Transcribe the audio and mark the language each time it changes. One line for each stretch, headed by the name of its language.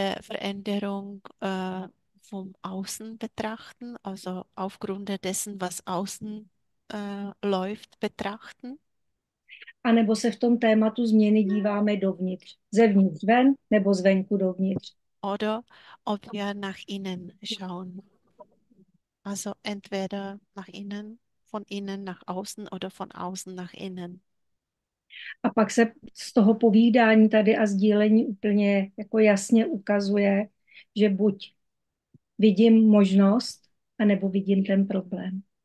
German: Veränderung vom Außen betrachten, also aufgrund dessen, was außen läuft, betrachten.
Czech: A nebo se v tom tématu změny díváme dovnitř, zevnitř ven nebo zvenku dovnitř.
German: Oder ob wir nach innen schauen. Also entweder nach innen, von innen nach außen oder von außen nach innen.
Czech: A pak se z toho povídání tady a sdílení úplně jako jasně ukazuje, že buď vidím možnost, anebo vidím ten problém.